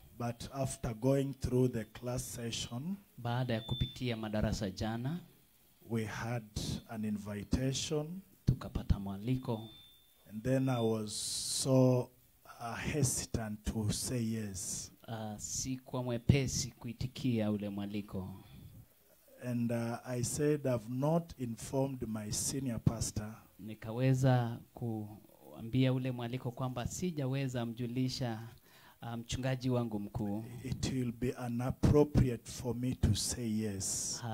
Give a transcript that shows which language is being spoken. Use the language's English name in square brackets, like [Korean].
[English] But after going through the class session, [Swahili] baada ya kupitia madarasa jana, [English] we had an invitation. [Swahili] Tukapata mwaliko. [English] And then I was so hesitant to say yes. [Swahili] Si kwa mwepesi kuitikia ule mwaliko. [English] And I said I've not informed my senior pastor. [Swahili] Nikaweza kuambia ule mwaliko kwamba sijaweza mjulisha mchungaji wangu mkuu. [English] It will be inappropriate for me to say yes.